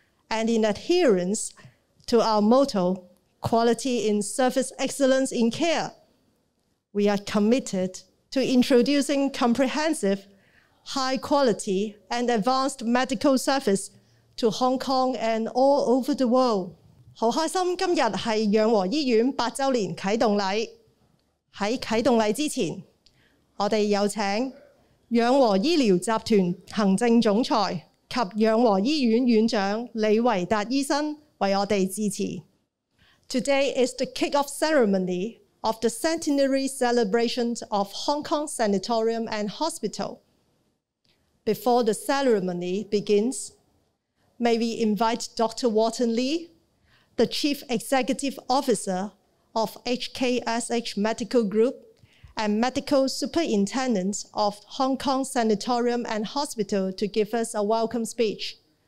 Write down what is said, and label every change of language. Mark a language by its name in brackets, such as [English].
[English] And in adherence to our motto, quality in service excellence in care, we are committed to introducing comprehensive, high quality and advanced medical service to Hong Kong and all over the world. [Chinese] 好开心，今日是养和医院八周年启动礼。在启动礼之前，我们有请养和医疗集团行政总裁及养和医院院长李维达医生为我们致辞。 [English] Today is the kick-off ceremony of the centenary celebrations of Hong Kong Sanatorium and Hospital. Before the ceremony begins, may we invite Dr. Wharton Lee,the Chief Executive Officer of HKSH Medical Group and Medical Superintendent of Hong Kong Sanatorium and Hospital to give us a welcome speech.